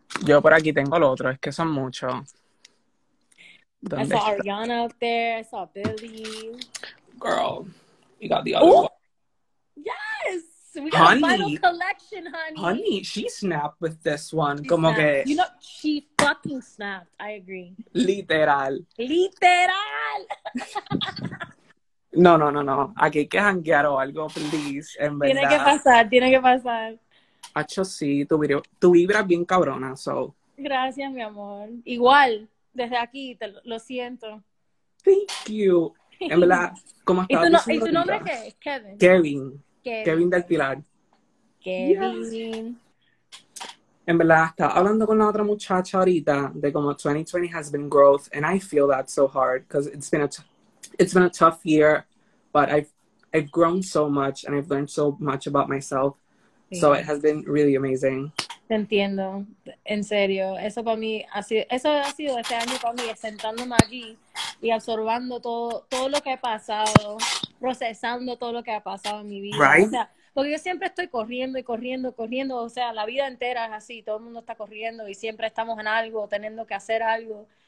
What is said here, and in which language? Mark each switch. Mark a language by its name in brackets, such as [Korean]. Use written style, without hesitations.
[Spanish] Yo por aquí tengo lo otro, es que son muchos. [English] I saw Ariana up there, I saw Billy. Girl, you got the other one. Yes! We got honey. A vinyl collection, honey. Honey, she snapped with this one. [Spanish] Como que... [English] You know, she fucking snapped. I agree. [Spanish] Literal. No. Aquí hay que janguear o algo, [English] please. [Spanish] En verdad. Tiene que pasar. Hacho, sí. Tu vibra es bien cabrona, so. Gracias, mi amor. Igual, desde aquí, te lo siento. [English] Thank you. [Spanish] En verdad, ¿cómo estás? ¿Y tu nombre qué es? Kevin del Pilar. Kevin. [English] Yes. [Spanish] En verdad, estaba hablando con la otra muchacha ahorita de cómo [English] 2020 has been growth, and I feel that so hard, because it's been a tough year, but I've grown so much, and I've learned so much about myself, [Spanish] sí. [English] So it has been really amazing. [Spanish] Te entiendo, en serio. Eso para mí, ha sido este año para mí, sentándome aquí y absorbando todo lo que ha pasado, procesando todo lo que ha pasado en mi vida. [English] Right? [Spanish] O sea, porque yo siempre estoy corriendo y corriendo y corriendo, o sea, la vida entera es así, todo el mundo está corriendo y siempre estamos en algo, teniendo que hacer algo.